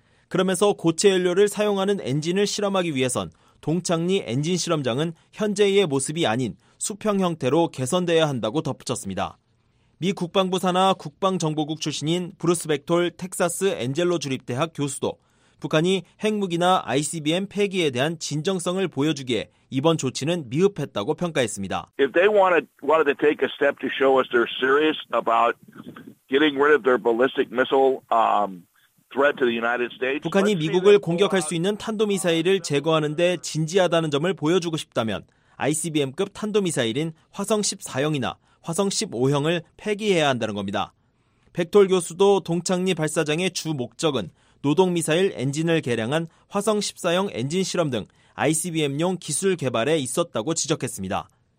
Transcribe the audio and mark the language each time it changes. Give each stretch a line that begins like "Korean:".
Korean: 그러면서 고체 연료를 사용하는 엔진을 실험하기 위해선 동창리 엔진 실험장은 현재의 모습이 아닌 수평 형태로 개선돼야 한다고 덧붙였습니다. 미 국방부 산하 국방정보국 출신인 브루스 벡톨 텍사스 엔젤로 주립대학 교수도 북한이 핵무기나 ICBM 폐기에 대한 진정성을 보여주기에 이번 조치는 미흡했다고 평가했습니다.
English: If they wanted to take a step to show us they're serious about getting rid of their ballistic missile threat to the United States.
Korean: 북한이 미국을 공격할 수 있는 탄도미사일을 제거하는 데 진지하다는 점을 보여주고 싶다면 ICBM급 탄도미사일인 화성 14형이나 화성 15형을 폐기해야 한다는 겁니다. 백돌 교수도 동창리 발사장의 주 목적은 노동미사일 엔진을 개량한 화성 14형 엔진 실험 등 ICBM용 기술 개발에 있었다고 지적했습니다.